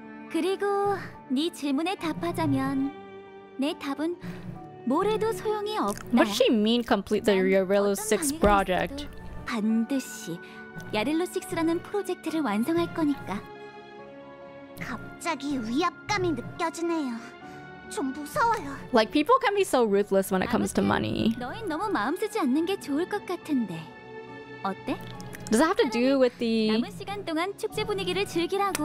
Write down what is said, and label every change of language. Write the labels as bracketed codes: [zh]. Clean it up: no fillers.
[ko] 그리고 네 질문에 답하자면 내 답은 뭘 해도 소용이 없다. [en] What she mean complete the Jarilo 6 project? [ko] 반드시 야릴로 6라는 프로젝트를 완성할 거니까. 갑자기 위압감이 느껴지네요. 좀 무서워요. [en] Like people can be so ruthless when it comes to money. [ko] 너희 너무 마음 쓰지 않는 게 좋을 것 같은데. 어때? [en] Does it have to do with the [ko] 남은 시간 동안 축제 분위기를 즐기라고?